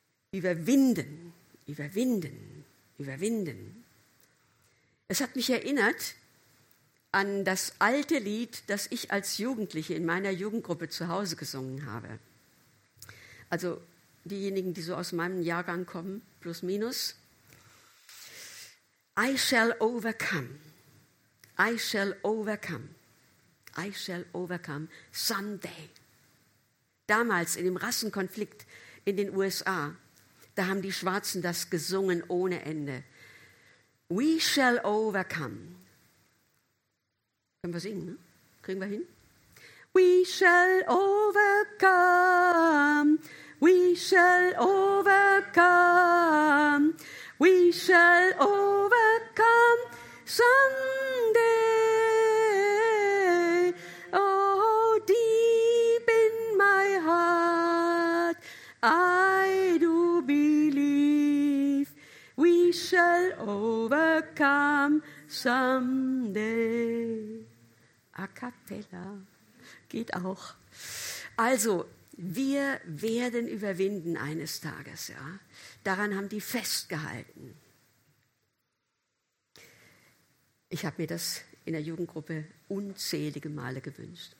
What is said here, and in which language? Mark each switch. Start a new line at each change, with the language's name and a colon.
German: Überwinden, überwinden, überwinden. Es hat mich erinnert an das alte Lied, das ich als Jugendliche in meiner Jugendgruppe zu Hause gesungen habe. Also diejenigen, die so aus meinem Jahrgang kommen, plus minus.
English: I shall overcome, I shall overcome, I shall overcome someday.
German: Damals in dem Rassenkonflikt in den USA, da haben die Schwarzen das gesungen ohne Ende.
English: We shall overcome.
German: Können wir singen, ne? Kriegen wir hin?
English: We shall overcome, we shall overcome, we shall overcome someday. Oh, deep in my heart, I do believe we shall overcome someday.
German: A cappella, geht auch. Also, wir werden überwinden eines Tages, ja. Daran haben die festgehalten. Ich habe mir das in der Jugendgruppe unzählige Male gewünscht.